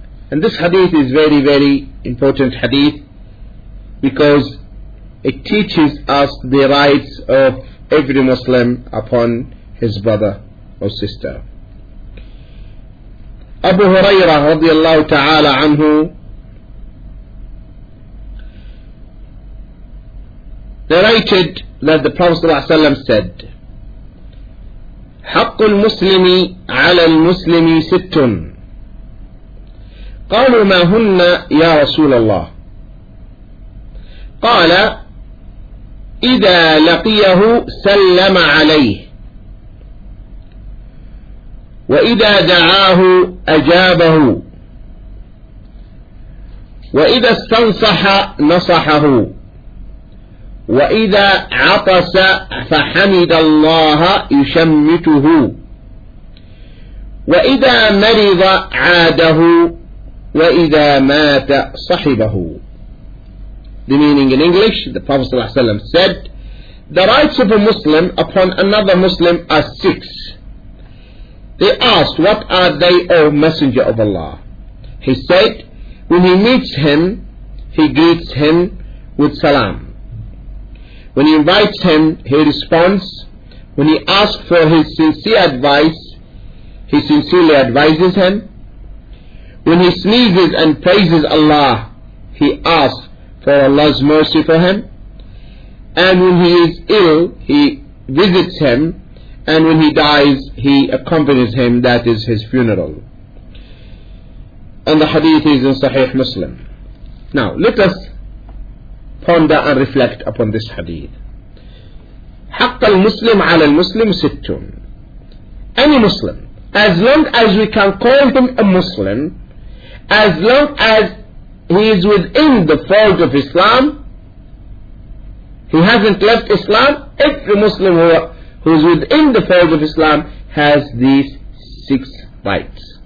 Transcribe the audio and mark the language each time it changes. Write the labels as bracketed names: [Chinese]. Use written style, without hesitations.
[English] And this hadith is very, very important hadith because it teaches us the rights of every Muslim upon his brother or sister. [Arabic] أبو هريرة رضي الله تعالى عنه [English] narrated that the Prophet [Arabic] صلى الله عليه وسلم said, حق المسلم على المسلم ست. قالوا ما هن يا رسول الله؟ قال إذا لقيه سلم عليه، وإذا دعاه أجابه، وإذا استنصح نصحه، وإذا عطس فحمد الله يشمته، وإذا مرض عاده، وإذا مات صحبه. [English] The meaning in English, the Prophet صلى الله عليه وسلم said, the rights of a Muslim upon another Muslim are six. They asked, what are they, O Messenger of Allah? He said, when he meets him, he greets him with salam. When he invites him, he responds. When he asks for his sincere advice, he sincerely advises him. When he sneezes and praises Allah, he asks for Allah's mercy for him. And when he is ill, he visits him. And when he dies, he accompanies him, that is his funeral. And the hadith is in Sahih Muslim. Now, let us ponder and reflect upon this hadith. [Arabic] حق المسلم على المسلم ستون. [English] Any Muslim, as long as we can call him a Muslim, as long as he is within the fold of Islam, he hasn't left Islam, every Muslim who is within the fold of Islam has these six rights.